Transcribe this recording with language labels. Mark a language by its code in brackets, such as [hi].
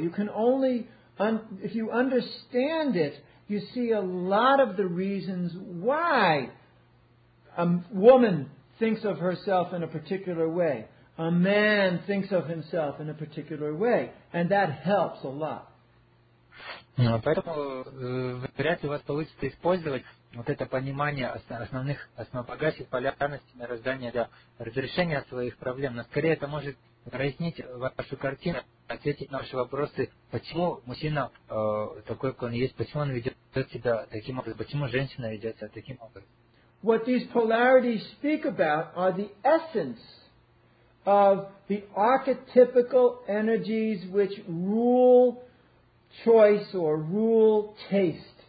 [en] You can only, if you understand it, you see a lot of the reasons why a woman thinks of herself in a particular way. A man thinks of himself in a particular way. And that helps a lot. [ru] Поэтому вряд ли у вас получится использовать вот это понимание основных основополагающих полярностей мироздания для разрешения своих проблем. Но скорее это может прояснить вашу картину, ответить на ваши вопросы, почему мужчина такой, как он есть, почему он ведет себя таким образом, почему женщина ведет себя таким образом. [en] What these polarities speak about are the essence of the archetypical energies which rule choice or rule taste.